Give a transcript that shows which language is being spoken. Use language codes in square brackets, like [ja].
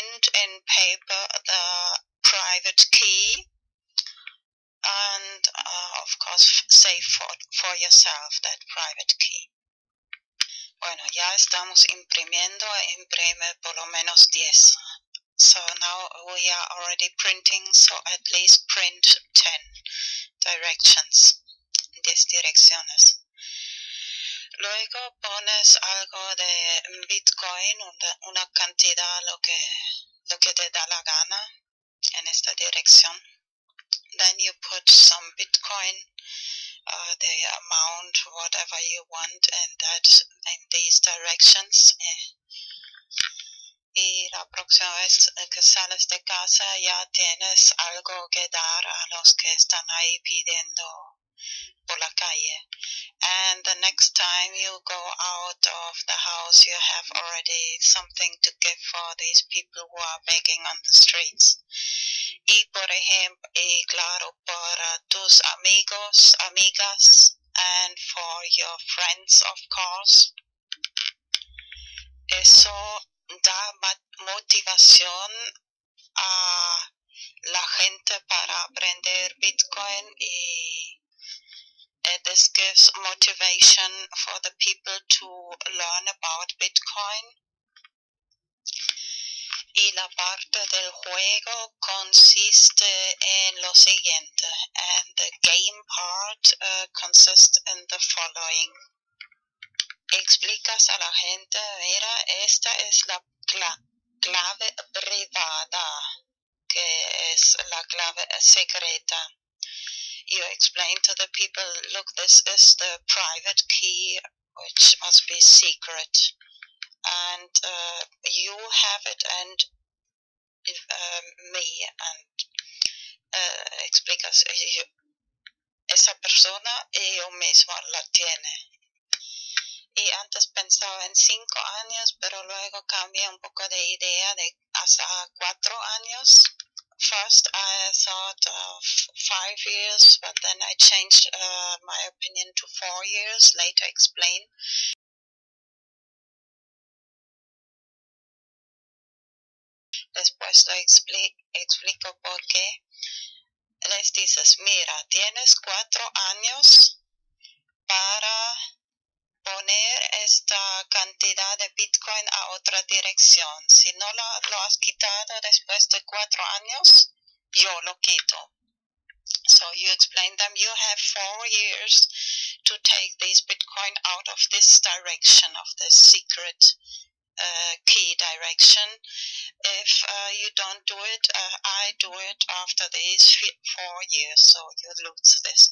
[en] print and paper the private key, and of course save for yourself that private key. [es] Bueno, ya estamos imprimiendo, imprime por lo menos 10. [en] So now we are already printing, so at least print 10 directions, [es] 10 direcciones. Luego pones algo de Bitcoin, una cantidad, lo que te da la gana en esta dirección. [en] Then you put some Bitcoin, the amount, whatever you want, and that in these directions. [es] Y la próxima vez que sales de casa ya tienes algo que dar a los que están ahí pidiendo por la calle. [en] And the next time you go out of the house, you have already something to give for these people who are begging on the streets. [es] Y por ejemplo, y claro, para tus amigos, amigas, [en] and for your friends, of course. [es] Eso da motivación a la gente para aprender Bitcoin [en] y this gives motivation for the people to learn about Bitcoin. [es] Y la parte del juego consiste en lo siguiente. [en] And the game part consists in the following. [es] Explicas a la gente, mira, esta es la clave privada, que es la clave secreta. [en] You explain to the people, look, this is the private key, which must be secret. And you have it, and me, and [es] explicas, esa persona y yo mismo la tiene. Y antes pensaba en 5 años, pero luego cambié un poco de idea de hasta 4 años. [en] First, I thought of 5 years, but then I changed my opinion to 4 years, later explained. [es] Después lo explico por qué. Les dices, mira, tienes 4 años para poner esta cantidad de Bitcoin a otra dirección. Si no lo has quitado después de 4 años, yo lo quito. [en] So you explain them, you have 4 years to take this Bitcoin out of this direction, of this secret key direction. If you don't do it, I do it after these 4 years, so you lose this.